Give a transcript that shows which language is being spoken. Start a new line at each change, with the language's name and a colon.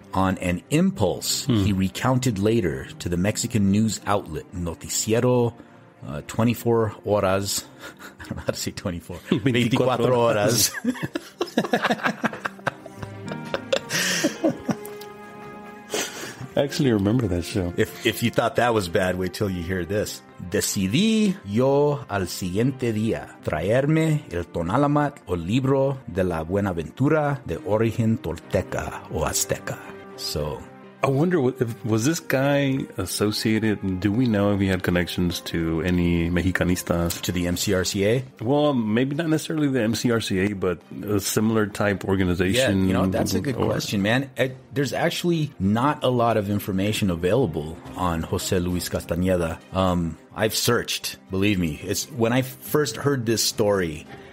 English: On an impulse, he recounted later to the Mexican news outlet Noticiero 24 Horas. I don't know how to say 24. 24 Horas. I actually remember that show. If you thought that was bad, wait till you hear this.
Spanish: Decidí yo al siguiente día traerme el Tonalamat o libro de la Buenaventura de origen Tolteca o Azteca.
English: So, I wonder, was this guy associated, do we know if he had connections to any Mexicanistas? To the MCRCA? Well, maybe not necessarily the MCRCA, but a similar type organization. Yeah, you know, that's a good question, man. There's actually not a lot of information available on José Luis Castañeda. I've searched, believe me. When I first heard this story,